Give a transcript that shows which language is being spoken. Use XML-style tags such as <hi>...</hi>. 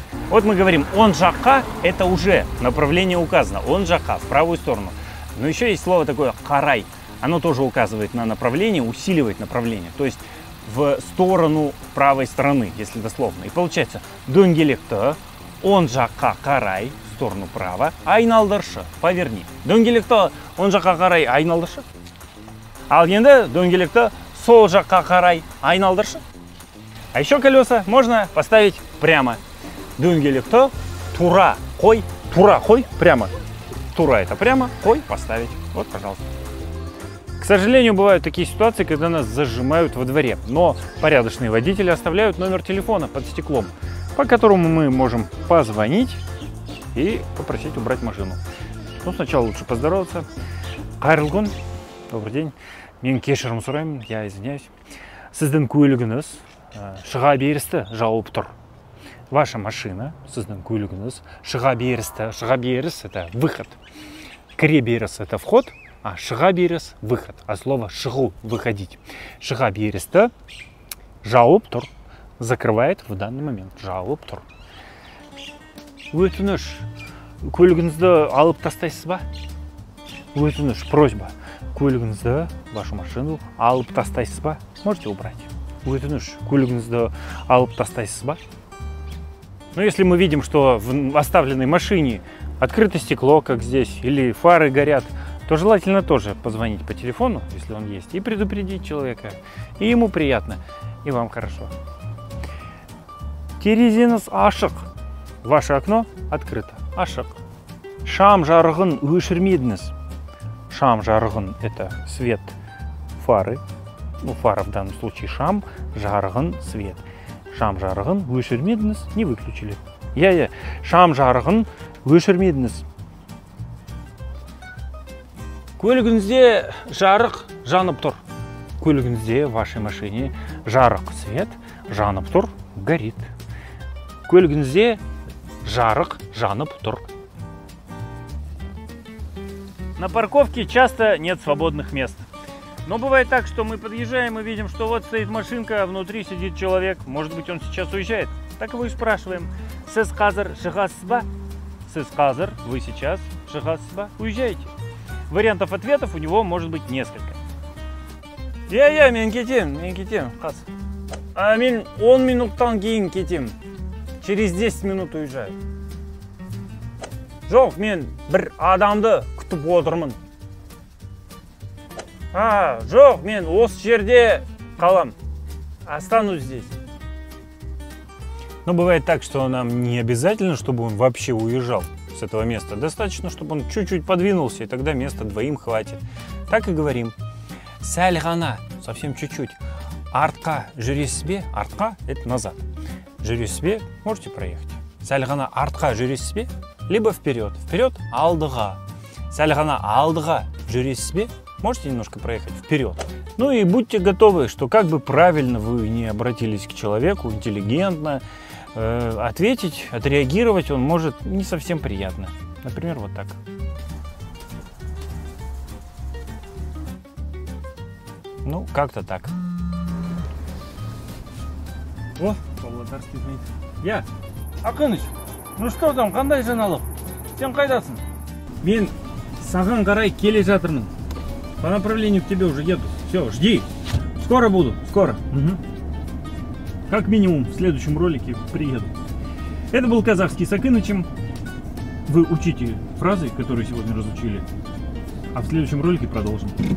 <ru>Вот мы говорим,</ru> <kk>он жаққа,</kk> <ru>это уже направление указано, он жаққа, в правую сторону. Но еще есть слово такое, қарай, оно тоже указывает на направление, усиливает направление, то есть в сторону правой стороны, если дословно. И получается,</ru> <kk>дөңгелекті, он жаққа қарай,</kk> <ru>в сторону права,</ru> <kk>айналдыршы,</kk> <ru>поверни.</ru> <kk>Дөңгелекті, он жаққа қарай, айналдыршы. Ал енді дөңгелекті сол жаққа қарай айналдыршы.</kk> <ru>А еще колеса можно поставить прямо.</ru> <kk>Дөңгелекті тура қой, тура қой,</kk> <ru>прямо.</ru> <kk>Тура</kk> <ru>это прямо,</ru> <kk>қой</kk> <ru>поставить. Вот, пожалуйста. К сожалению, бывают такие ситуации, когда нас зажимают во дворе. Но порядочные водители оставляют номер телефона под стеклом, по которому мы можем позвонить и попросить убрать машину. Но сначала лучше поздороваться.</ru> <kk>Қайырлығын.</kk> <ru>Добрый день.</ru> <kk>Мен кешірім сұраймын,</kk> <ru>я извиняюсь.</ru> <kk>Сіздің көлігіңіз шыға берісті жауып тұр.</kk> <ru>Ваша машина,</ru> <kk>сіздің көлігіңіз шыға берісті. Шыға беріс</kk> <ru>– это выход.</ru> <kk>Кіре беріс</kk> <ru>– это вход.</ru> <kk>А шыға беріс –</kk> <ru>выход.</ru> <kk>А слово шығу –</kk> <ru>выходить.</ru> <kk>Шыға берісті жауып тұр.</kk> <ru>Закрывает в данный момент.</ru> <kk>Жауып тұр. Өтініш. көлігіңізді алып тастайсыз ба? Өзіңіз</kk> <ru>просьба.</ru> <kk>Көлігіңізді,</kk> <ru>вашу машину</ru> <kk>алып тастайсыз ба?</kk> <ru>Можете убрать.</ru> <kk>Өзіңіз көлігіңізді алып тастайсыз ба?</kk> <ru>Ну, если мы видим, что в оставленной машине открыто стекло, как здесь, или фары горят, то желательно тоже позвонить по телефону, если он есть, и предупредить человека. И ему приятно, и вам хорошо.</ru> <kk>Терезеңіз ашық.</kk> <ru>Ваше окно открыто.</ru> <kk>Ашық. Шам жарығын өшірмедіңіз. Шам жарығын</kk> <ru>– это свет фары. Ну, фара в данном случае шам, жарығын – свет.</ru> <kk>Шам жарығын өшірмедіңіз,</kk> <ru>не выключили. Я-я.</ru> <kk>Шам жарығын өшірмедіңіз. Көлігіңізде жарық жанып тұр. Көлігіңізде</kk> <ru>вашей машине</ru> <kk>жарық</kk> <ru>свет</ru> <kk>жанып тұр,</kk> <ru>горит.</ru> <kk>Көлігіңізде жарық жанып тұр.</kk> <ru>На парковке часто нет свободных мест. Но бывает так, что мы подъезжаем и видим, что вот стоит машинка, а внутри сидит человек. Может быть, он сейчас уезжает. Так его и спрашиваем.</ru> <kk>Сіз қазір шығасыз ба? Сіз қазір,</kk> <ru>вы сейчас</ru> <kk>шығасыз ба?</kk> <ru>Уезжаете. Вариантов ответов у него может быть несколько.</ru> <kk>Я-я, мен кетем, мен кетем. Қас. А мен 10 минуттан кейін кетем.</kk> <ru>Через 10 минут уезжаю.</ru> <kk>Жоқ, мен бір адамды күтіп отырмын. А, жоқ, мен осы жерде қалам.</kk> <ru>Останусь здесь. Ну, бывает так, что нам не обязательно, чтобы он вообще уезжал с этого места. Достаточно, чтобы он чуть-чуть подвинулся, и тогда места двоим хватит. Так и говорим.</ru> <kk>Сәл ғана,</kk> <ru>совсем чуть-чуть.</ru> <kk>Артқа жүресіз бе? Артқа</kk> <ru>– это назад.</ru> <kk>Жүресіз бе?</kk> <ru>Можете проехать.</ru> <kk>Сәл ғана артқа жүресіз бе?</kk> <ru>Либо вперед. Вперед –</ru> <kk>алдыға. Сәл ғана алдыға жүресіз бе?</kk> <ru>Можете немножко проехать вперед. Ну и будьте готовы, что как бы правильно вы не обратились к человеку, интеллигентно, ответить, отреагировать он может не совсем приятно. Например, вот так. Ну, как-то так. О, Павлодарский звонит. Я, Акыныч, ну что там,</ru> <kk>кандай жаналов? Сен кайдасын? Мен саған қарай келе жатырмын.</kk> <ru>По направлению к тебе уже еду. Все, жди. Скоро буду. Скоро. Угу. Как минимум в следующем ролике приеду. Это был Казахский с Акынычем. Вы учите фразы, которые сегодня разучили. А в следующем ролике продолжим.</ru>